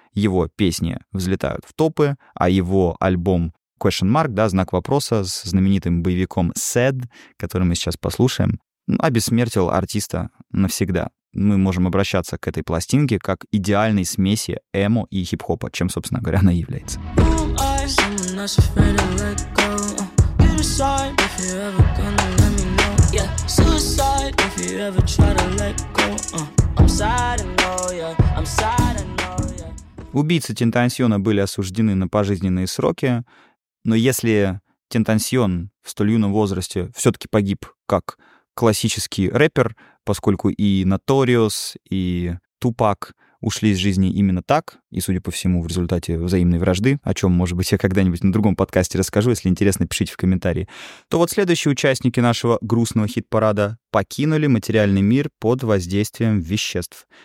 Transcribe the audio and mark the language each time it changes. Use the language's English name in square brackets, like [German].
[Russian] Его песни взлетают в топы, а его альбом Question Mark, да, знак вопроса, с знаменитым боевиком Sad, который мы сейчас послушаем, обессмертил артиста навсегда. Мы можем обращаться к этой пластинке как идеальной смеси эмо и хип-хопа, чем, собственно говоря, она и является. [English] Someone afraid to let go. You decide if you're ever gonna let me know. Yeah, suicide if you ever try to let go. I'm sad and know, yeah, I'm sad and know, yeah. [Russian] Убийцы Тентасьона были осуждены на пожизненные сроки, но если Тентасьон в столь юном возрасте все-таки погиб как классический рэпер, поскольку и Notorious, и Tupac ушли из жизни именно так, и, судя по всему, в результате взаимной вражды, о чем, может быть, я когда-нибудь на другом подкасте расскажу, если интересно, пишите в комментарии, то вот следующие участники нашего грустного хит-парада покинули материальный мир под воздействием веществ.